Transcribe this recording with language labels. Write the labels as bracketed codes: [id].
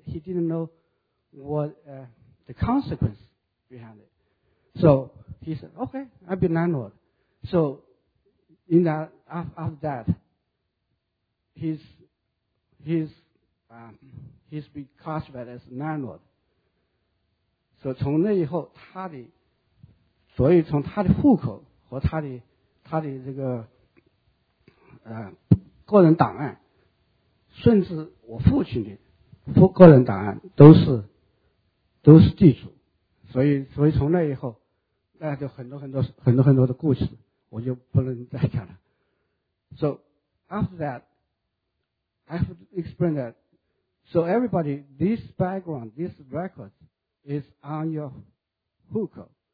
[en] He didn't know what the consequence behind it. So he said, okay, I'll be landlord. So in that, after that, he's been classified as landlord. [zh] So 从那以后，他的，所以从他的户口和他的这个，个人档案，甚至我父亲的个人档案都是地主。所以从那以后，那就很多很多很多很多的故事，我就不能再讲了。 [en] So after that. I have to explain that. So everybody, this background, this record is on your hukou.